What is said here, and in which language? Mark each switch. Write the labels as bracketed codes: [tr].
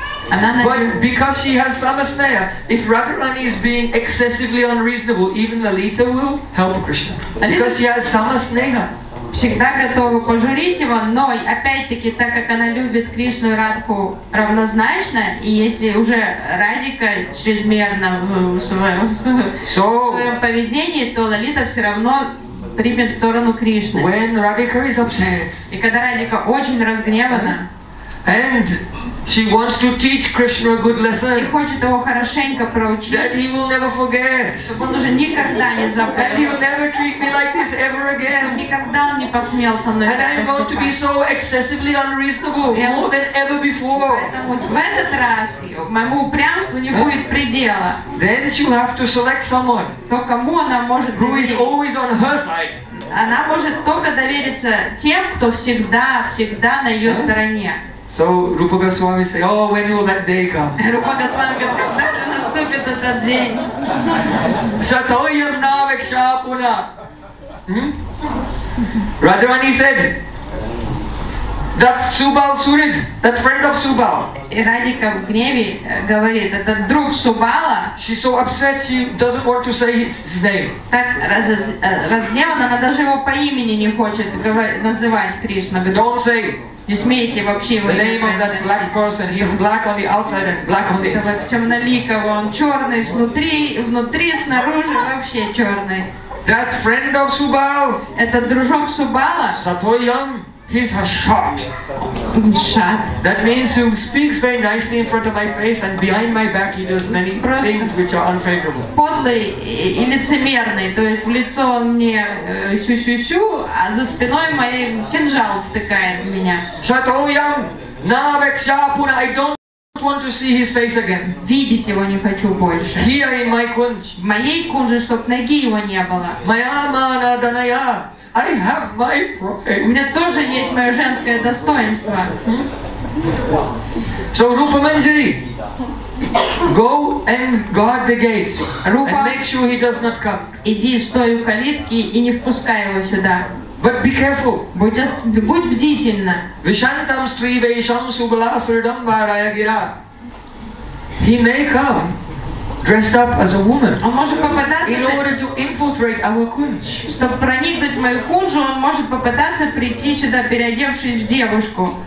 [en] But because she has samasneya, if Radharani is being excessively unreasonable, even Lalita will help Krishna. Because she has samasneha. [ru] Всегда готова пожурить его, но опять-таки, так как она любит Кришну и Радху равнозначно, и если уже Радика чрезмерно в своем поведении, то Лалита все равно примет сторону Кришны. [en] When Radhika is upset, [ru] и когда Радика очень разгневана, [en] and she wants to teach Krishna a good lesson, [ru] и хочет его хорошенько проучить, [en] that he will never forget, [ru] чтобы он уже никогда не забыл, [en] and he will never treat me like this ever again, [ru] никогда он не посмел со мной, [en] and I'm going to be so excessively unreasonable, yeah, more than ever before. [ru] Поэтому в этот раз моему упрямству не будет предела. [en] Then she will have to select someone, [ru] то кому она может doверить, [en] who is always on her side. [ru] Она может только довериться тем, кто всегда, всегда на ее стороне. [en] So Rupa Goswami say, oh, when will that day come? [ru] Rupa Goswami говорит, когда же наступит этот день? [sa] Satoyam Naveksha Puna. [en] Radharani said, that Subal Surid, that friend of Subal. [ru] И Радика в гневе говорит, это друг Субала. [en] She's so upset, she doesn't want to say his name. [ru] Так разгневана, она даже его по имени не хочет называть Кришна. [en] Don't say. [ru] Не смейте вообще его. [en] The name of that black person, he's black on the outside and black on the inside. [ru] Темноликого, он черный снутри, внутри, снаружи вообще черный. [en] That friend of Subal. [ru] Этот дружок Субала. [en] Satoyam. He's a shot. Shot. That means he speaks very nicely in front of my face and behind my back he does many things which are unfavorable. [ru] Подлый и лицемерный, то есть в лицо он мне сю-сю-сю, а за спиной моей кинжал втыкает в меня. [sa] Satoyam Naveksha Puna, [en] I don't want to see his face again. [ru] Видеть его не хочу больше. [en] Here in my kunj. [ru] В моей кунже, чтоб ноги его не было. [sa] Mayamana Danaya. [en] I have my pride. [ru] У меня тоже есть мое женское достоинство. [en] So Rupa Manjari, go and guard the gate Rupa, and make sure he does not come. [ru] Иди, стой у калитки и не впускай его сюда. [en] But be careful. [ru] Будь бдительна. [sa] Vishantam Sriveisham Subalasuridam Varayagira. [en] He may come. dressed up as a woman. [ru] Он может попытаться [en] in order to infiltrate our kunj. [ru] Чтобы проникнуть в мою кунжу, он может попытаться прийти сюда, переодевшись в девушку.